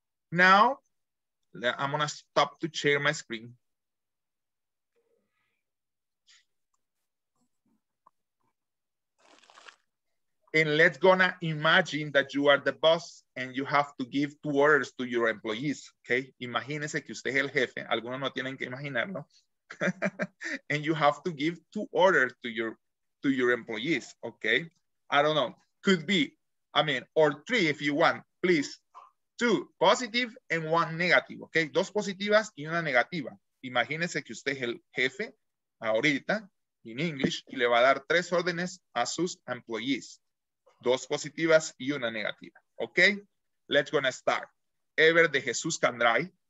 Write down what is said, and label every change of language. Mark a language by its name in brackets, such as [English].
[English] Now, I'm gonna stop to share my screen. And let's gonna imagine that you are the boss and you have to give two orders to your employees, okay? [Spanish] Imagínese que usted es el jefe, algunos no tienen que imaginarlo. [English] And you have to give two orders to your employees, okay? I don't know, could be, I mean, or three if you want, please. Two, positive and one negative, okay? [Spanish] Dos positivas y una negativa. Imagínese que usted es el jefe ahorita, [English] in English, [Spanish] y le va a dar tres órdenes a sus employees. Dos positivas y una negativa. [English] Okay, let's gonna start. Ever de Jesús Candray.